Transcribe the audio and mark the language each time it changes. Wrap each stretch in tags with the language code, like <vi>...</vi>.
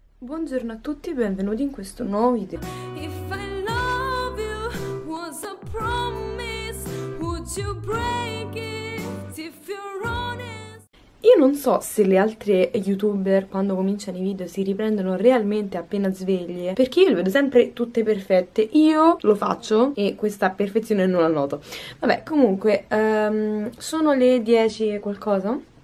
<it>Buongiorno a tutti e benvenuti in questo nuovo video.</it> <en>If I love you was a promise, would you break it if you're honest?</en> <it>Io non so se le altre youtuber quando cominciano i video si riprendono realmente appena sveglie, perché io le vedo sempre tutte perfette. Io lo faccio e questa perfezione non la noto. Vabbè, comunque, sono le 10 e qualcosa.</it>